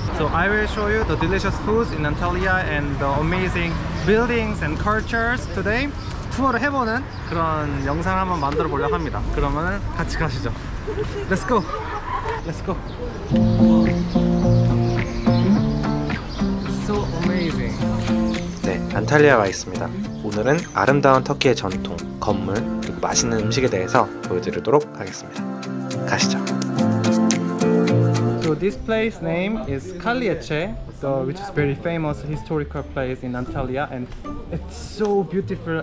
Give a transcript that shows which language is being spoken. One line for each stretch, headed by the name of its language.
English: So I will show you the delicious foods in Antalya and the amazing buildings and cultures today.
Korean: 투어를 해보는 그런 영상 한번 만들어 보려고 합니다. 그러면 같이 가시죠.
English: Let's go. Let's go. So amazing.
Korean: 네, 안탈리아에 와 있습니다. 오늘은 아름다운 터키의 전통 건물 그리고 맛있는 음식에 대해서 보여드리도록 하겠습니다. 가시죠.
English: So this place name is Kaliyeche, so which is very famous historical place in Antalya, and it's so beautiful.